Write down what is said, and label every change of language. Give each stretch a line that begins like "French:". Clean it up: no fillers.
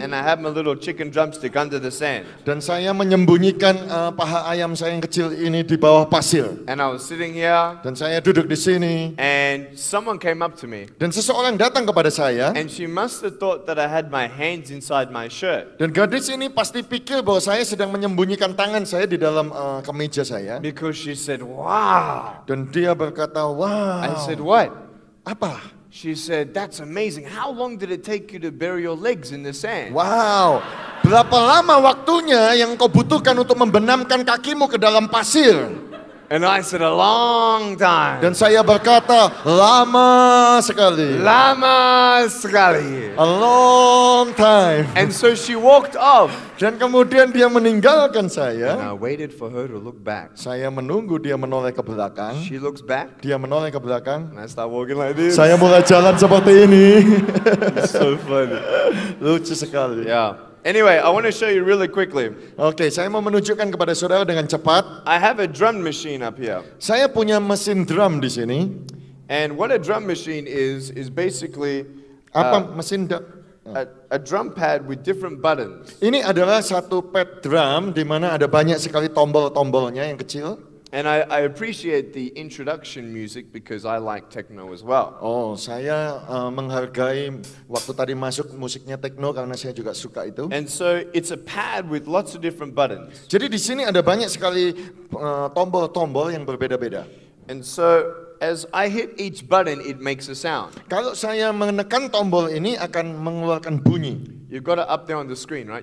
English: And I had my little chicken drumstick under the sand.
Indonesian: Dan saya menyembunyikan paha ayam saya yang kecil ini di bawah pasir.
English: And I was sitting here.
Indonesian: Dan saya duduk di sini.
English: And someone came up to me.
Indonesian: Dan seseorang datang kepada saya.
English: And she must have thought that I had my hands inside my shirt.
Indonesian: Dan gadis ini pasti pikir bahwa saya sedang menyembunyikan tangan saya di dalam kemeja saya.
English: Because she said, "Wow."
Indonesian: Dan dia berkata, "Wow."
English: I said, what?
Indonesian: Apa?
English: She said, that's amazing. How long did it take you to bury your legs in the sand?
Indonesian: Wow. Berapa lama waktunya yang kau butuhkan untuk membenamkan kakimu ke dalam pasir?
English: And I said, a long time.
Indonesian: Dan saya berkata, lama sekali. Lama sekali.
English: A long time. And so she walked off.
Indonesian: Dan kemudian dia meninggalkan saya.
English: And I waited for her to look back.
Indonesian: Saya menunggu dia menoleh ke belakang.
English: She looks back.
Indonesian: Dia menoleh ke belakang.
English: And I start walking like this.
Indonesian: Saya mulai jalan seperti ini.
English: So funny.
Indonesian: Lucu sekali.
English: Yeah. Anyway, I want to show you really quickly.
Indonesian: Okay, saya mau menunjukkan kepada saudara dengan cepat.
English: I have a drum machine up here.
Indonesian: Saya punya mesin drum di sini.
English: And what a drum machine is basically
Indonesian: apa mesin
English: a drum pad with different buttons.
Indonesian: Ini adalah satu pad drum di mana ada banyak sekali tombol-tombolnya yang kecil.
English: And I appreciate the introduction music because I like techno as well.
Indonesian: Oh, saya menghargai waktu tadi masuk musiknya techno karena saya juga suka itu.
English: And so it's a pad with lots of different buttons.
Indonesian: Jadi di sini ada banyak sekali tombol-tombol yang berbeda-beda.
English: And so as I hit each button, it makes a sound.
Indonesian: Kalau saya menekan tombol ini akan mengeluarkan bunyi.
English: You've got it up there on the screen, right?